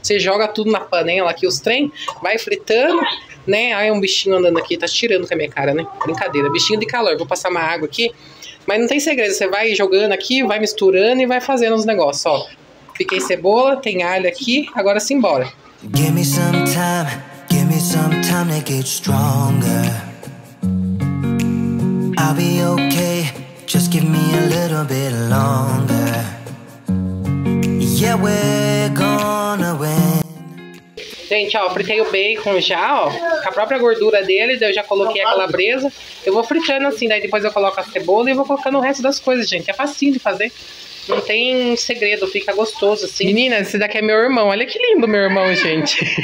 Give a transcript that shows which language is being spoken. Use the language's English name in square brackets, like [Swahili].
[Portuguese] Você joga tudo na panela aqui, os trem. Vai fritando, né? Ai, um bichinho andando aqui. Tá tirando com a minha cara, né? Brincadeira. Bichinho de calor. Vou passar uma água aqui. Mas não tem segredo. Você vai jogando aqui, vai misturando e vai fazendo os negócios, ó. Piquei cebola, tem alho aqui. Agora simbora. [English] Give me some time to get stronger. I'll be okay, just give me a little bit longer. Yeah, we're gonna win. [Portuguese] Gente, ó, fritei o bacon já, ó, com a própria gordura dele, daí eu já coloquei a calabresa. Eu vou fritando assim, daí depois eu coloco a cebola e vou colocando o resto das coisas, gente. É facinho de fazer. Não tem segredo, fica gostoso assim. Menina, esse daqui é meu irmão. Olha que lindo meu irmão, gente.